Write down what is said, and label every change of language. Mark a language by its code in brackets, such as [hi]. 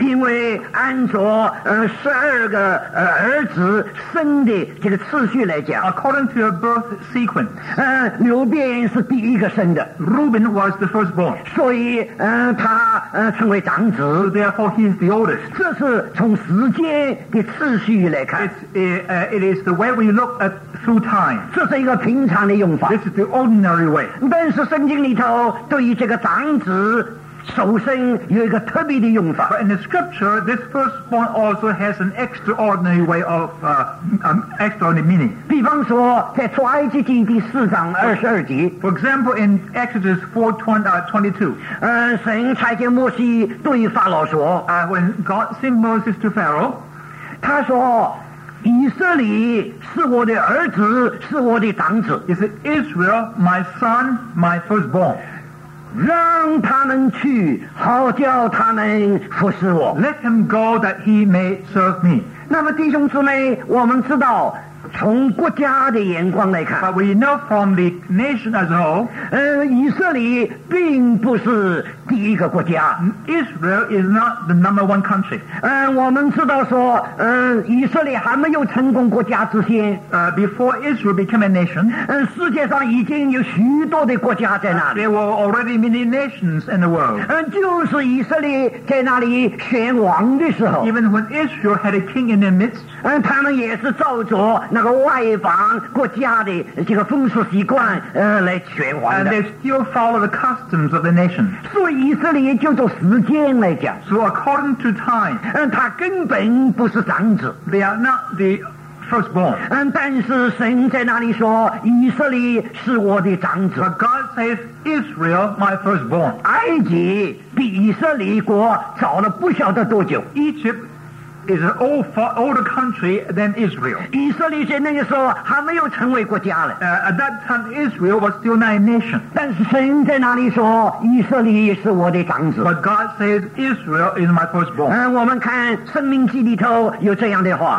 [zh] 因为按照十二个儿子生的这个次序来讲。 [en] According to your birth sequence. [zh] 刘辩是第一个生的。 [en] Reuben was the firstborn. [zh] 所以他成为长子。 [en] So therefore he is the oldest. [zh] 这是从时间的次序来看。 [en] It is the way we look at through time. [zh] 这是一个平常的用法。 [en] This is the ordinary way. [zh] 但是圣经里头对于这个长子 首生有一个特别的用法。 [en] But in the scripture, this firstborn also has an extraordinary way of extraordinary meaning. [zh] 比方说，在出埃及记第4章22节。 [en] For example, in Exodus 4:22. [zh] 神差遣摩西对法老说。 [en] When God sent Moses to Pharaoh, [zh] 他说。以色列是我的儿子，是我的长子。He [en] said, Israel, my son, my firstborn. [zh] 让他们去，好叫他们服侍我。 [en] Let him go that he may serve me. [zh] 那么弟兄姊妹，我们知道。从国家的眼光来看 [en] But we know from the nation as a whole [zh] 以色列并不是第一个国家 [en] Israel is not the number one country [zh] 我们知道说以色列还没有成功国家之前 [en] Before Israel became a nation [zh] 世界上已经有许多的国家在那里 [en] There were already many nations in the world [zh] 就是以色列在那里选王的时候 [en] Even when Israel had a king in their midst [zh] 他们也是照着那个外邦国家的这个风俗习惯来选王的 [en] and they still follow the customs of the nation [zh] 所以以色列就做时间来讲 [en] so according to time [zh] 他根本不是长子 [en] they are not the firstborn [zh] 但是神在那里说以色列是我的长子 [en] but God says Israel my firstborn [zh] 埃及比以色列国早了不晓得多久 [en] Egypt is an old, far older country than Israel. [zh] 以色列在那个时候还没有成为国家了。 [en] At that time, Israel was still not a nation. [zh] 但是神在哪里说以色列是我的长子。 [en] But God says Israel is my firstborn. [zh] 我们看《生命记》里头有这样的话。